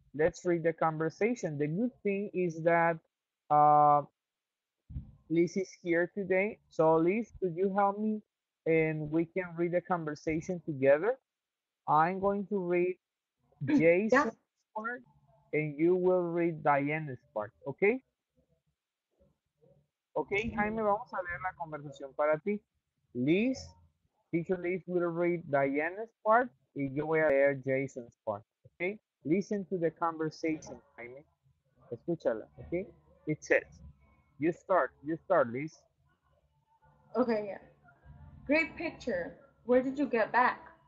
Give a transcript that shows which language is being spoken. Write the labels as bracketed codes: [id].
[en] Let's read the conversation. The good thing is that Liz is here today. So Liz, could you help me and we can read the conversation together? I'm going to read Jason's part and you will read Diana's part, okay? [es] Okay, Jaime, vamos a leer la conversación para ti. [en] Liz. Teacher Liz will read Diana's part and you will hear Jason's part, okay? Listen to the conversation, Jaime. [es] Escúchala, [en] okay? It says, you start, Liz. Okay, yeah. Great picture. Where did you get back?